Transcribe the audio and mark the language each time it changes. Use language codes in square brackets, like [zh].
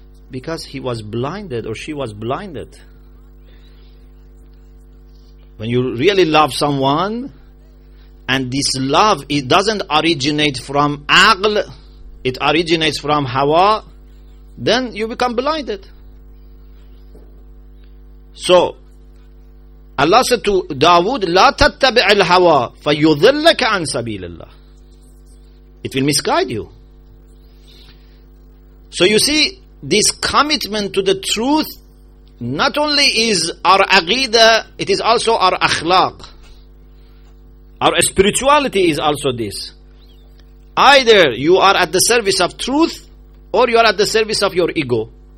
[en] Because he was blinded or she was blinded. When you really love someone, and this love, it doesn't originate from aql, it originates from hawa, then you become blinded. So Allah said to Dawood, [ar] لا تتبع الهوى فيضلك عن سبيل الله. [en] It will misguide you. So you see, this commitment to the truth not only is our aqidah, it is also our akhlaq. Our spirituality is also this. Either you are at the service of truth or you are at the service of your ego.